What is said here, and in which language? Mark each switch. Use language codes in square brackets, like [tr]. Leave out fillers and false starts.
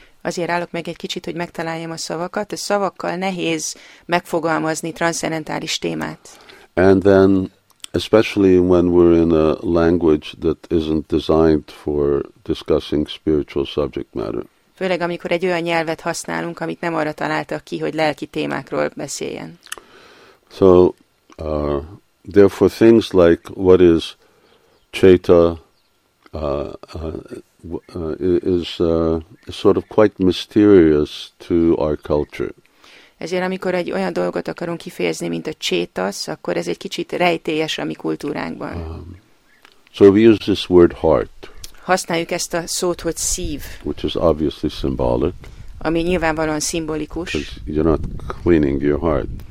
[hu] Azért állok meg egy kicsit, hogy megtaláljam a szavakat. A szavakkal nehéz megfogalmazni transzcendentális témát. [en] And then, especially when we're in a language that isn't designed for discussing spiritual subject matter. [hu] Főleg amikor egy olyan nyelvet használunk, amit nem arra találtak ki, hogy lelki témákról beszéljen. [en] So therefore things like what is Cheta is sort of quite mysterious to our culture. [hu] Ezért, amikor egy olyan dolgot akarunk kifejezni, mint a chetas, akkor ez egy kicsit rejtélyes a mi kultúránkban. [en] So we use this word heart. [hu] Használjuk ezt a szót, hogy szív. [en] Which is obviously symbolic. [hu] Ami nyilvánvalóan szimbolikus. [en] Because you're not cleaning your heart.